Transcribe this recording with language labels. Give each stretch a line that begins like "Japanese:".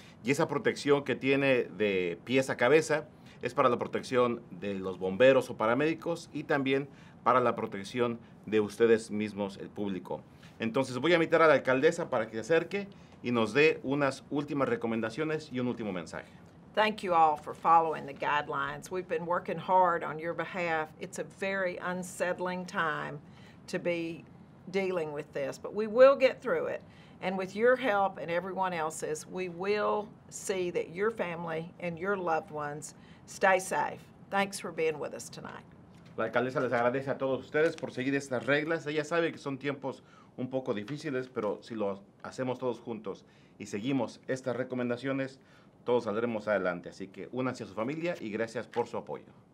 Spanish: Y esa protección que tiene de pies a cabeza es para la protección de los bomberos o paramédicos y también para la protección de ustedes mismos, el público. Entonces voy a invitar a la alcaldesa para que se acerque y nos dé unas últimas recomendaciones y un último mensaje.
English: Thank you all for following the guidelines. We've been working hard on your behalf. It's a very unsettling time to be dealing with this, but we will get through it. And with your help and everyone else's, we will see that your family and your loved ones stay safe. Thanks for being with us tonight.
Spanish: La alcaldesa les agradece a todos ustedes por seguir estas reglas. Ella sabe que son tiempos un poco difíciles, pero si lo hacemos todos juntos y seguimos estas recomendaciones, todos saldremos adelante. Así que únanse a su familia y gracias por su apoyo.